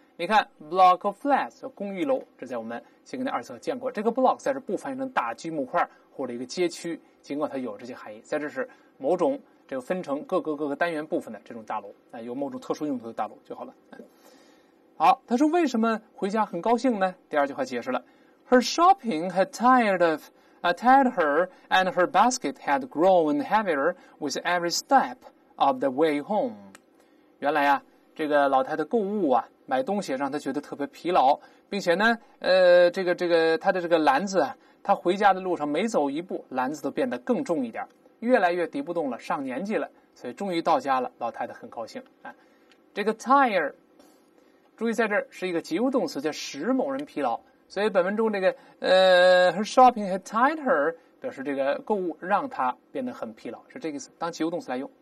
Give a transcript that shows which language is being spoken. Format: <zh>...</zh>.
<zh>你看 block of flats 公寓楼，这在我们先跟您二次见过，这个 block 在这不翻译成大居木块或者一个街区，尽管它有这些含义，在这是某种这个分成各个单元部分的这种大楼，有某种特殊用途的大楼就好了。好，他说为什么回家很高兴呢？第二句话解释了</zh> <en>her shopping had tired her and her basket had grown heavier with every step of the way home。</en> <zh>原来啊，这个老太太购物啊，买东西让她觉得特别疲劳，并且呢，她的这个篮子啊，她回家的路上每走一步，篮子都变得更重一点，越来越提不动了，上年纪了，所以终于到家了，老太太很高兴啊。这个 tire， 注意在这儿是一个及物动词，叫使某人疲劳，所以本文中这个her shopping had tired her 表示这个购物让她变得很疲劳，是这个意思，当及物动词来用。</zh>